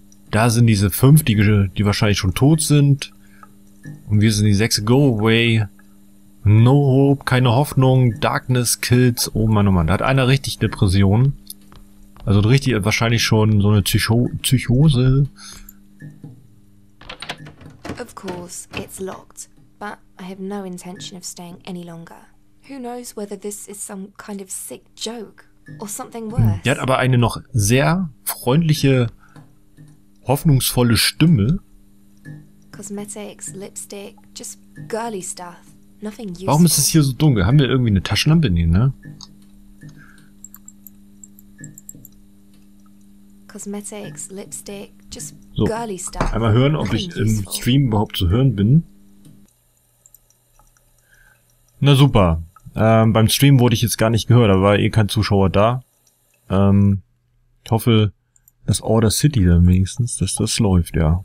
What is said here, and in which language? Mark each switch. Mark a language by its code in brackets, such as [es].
[de] Da sind diese fünf, die wahrscheinlich schon tot sind. Und wir sind die sechs. [en] Go away. No hope. [de] Keine Hoffnung. [en] Darkness kills. [de] Oh Mann. Da hat einer richtig Depression. Also richtig wahrscheinlich schon so eine Psychose. [en] Of course, it's locked. But I have no intention of staying any longer. Who knows whether this is some kind of sick joke or something worse. [de] Die hat aber eine noch sehr freundliche... hoffnungsvolle Stimme. [en] Cosmetics, Lipstick, just girly stuff. Nothing useful. [de] Warum ist es hier so dunkel? Haben wir irgendwie eine Taschenlampe? Nee, ne? [en] Cosmetics, Lipstick, just so. Girly stuff. [de] Einmal hören, ob ich im Stream überhaupt zu hören bin. Na super. Beim Stream wurde ich jetzt gar nicht gehört, da war eh kein Zuschauer da. Ich hoffe... Das Order City dann wenigstens, dass das läuft, ja.